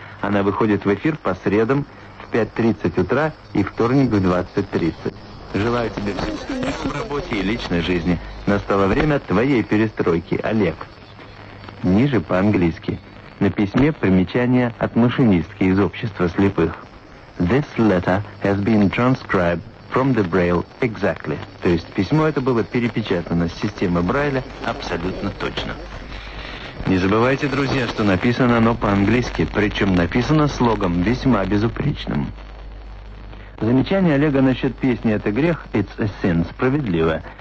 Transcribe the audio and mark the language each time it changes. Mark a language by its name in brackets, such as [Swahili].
[Russian] Она выходит в эфир по средам в 5:30 утра и вторник в 20:30. Желаю тебе всего в работе и личной жизни. Настало время твоей перестройки, Олег. Ниже по-английски. На письме примечание от машинистки из общества слепых. [English] This letter has been transcribed from the Braille exactly. [Russian] То есть письмо это было перепечатано с системы Брайля абсолютно точно. Не забывайте, друзья, что написано оно по-английски, причем написано слогом весьма безупречным. Замечание Олега насчет песни «Это грех» «It's a sin» справедливо.